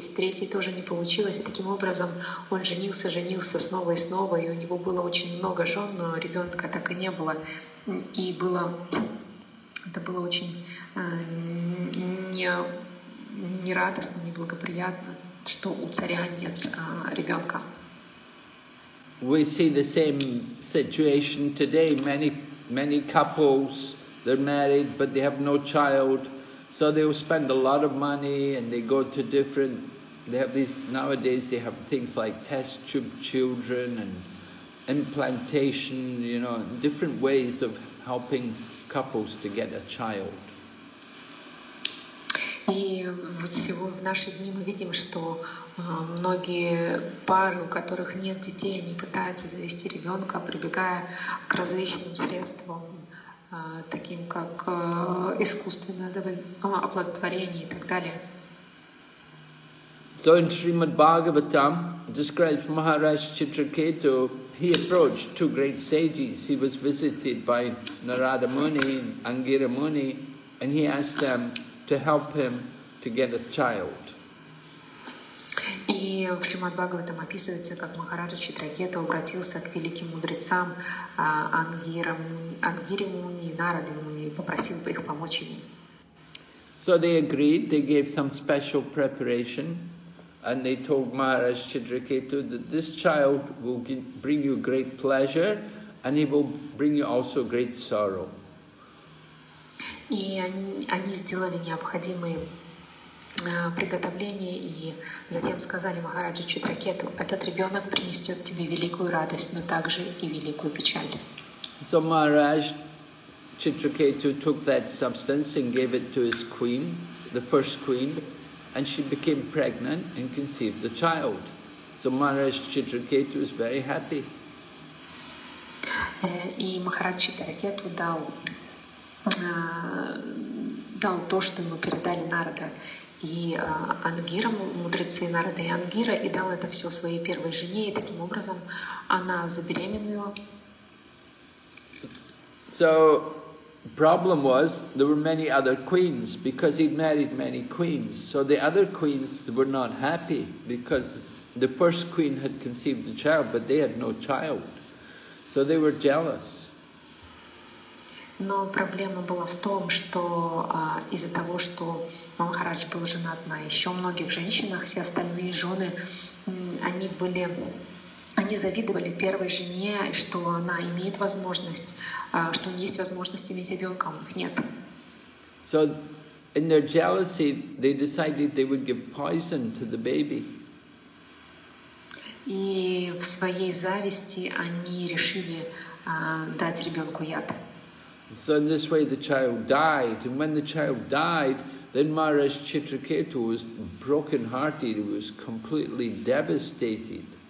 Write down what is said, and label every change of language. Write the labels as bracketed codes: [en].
[ru] С третьей тоже не получилось, и таким образом он женился снова и снова, и у него было очень много жен, но ребенка так и не было. И было, это было очень нерадостно, неблагоприятно, что у царя нет ребенка. [en] We see the same situation today. Many, many couples, they're married, but they have no child. So they'll spend a lot of money and they go to different, they have these, nowadays they have things like test tube children and implantation, you know, different ways of helping couples to get a child. [ru] И вот в наши дни мы видим, что многие пары, у которых нет детей, они пытаются завести ребенка, прибегая к различным средствам, таким как искусственное оплодотворение и так далее. [en] So in Srimad Bhagavatam describes Maharaj Chitraketu, he approached two great sages. He was visited by Narada Muni, Angira Muni, and he asked them to help him to get a child. [ru] И в Шримад Бхагаватам описывается, как Махараджа Читракету обратился к великим мудрецам Ангире Муни и Нараде Муни и попросил бы их помочь ему. [en] So they agreed, they gave some special preparation, And they told Maharaj Chidraketu that this child will bring you great pleasure and he will bring you also great sorrow. [ru] И они сделали необходимые приготовления и затем сказали Махараджу Читракету: этот ребенок принесет тебе великую радость, но также и великую печаль. [en] So Maharaj Chitraketu took that substance and gave it to his queen, the first queen, and she became pregnant and conceived the child. So Maharaj Chitraketu was very happy. [ru] И Махарадж Читракету дал то, что ему передали Нарада и Ангира, мудрецы Нарада и Ангира, и дал это все своей первой жене, и таким образом она забеременела. [en] So, problem was, there were many other queens, because he'd married many queens. So the other queens were not happy, because the first queen had conceived a child, but they had no child. So they were jealous. [ru] Но проблема была в том, что из-за того, что Махарадж был женат на еще многих женщинах, все остальные жены, они завидовали первой жене, что она имеет возможность, что у нее есть возможность иметь ребенка, а у них нет. [en] So in their jealousy, they decided they would give poison to the baby. [ru] И в своей зависти они решили дать ребенку яд. [en] So in this way the child died, and when the child died, then Maharaj Chitraketu was broken hearted, he was completely devastated.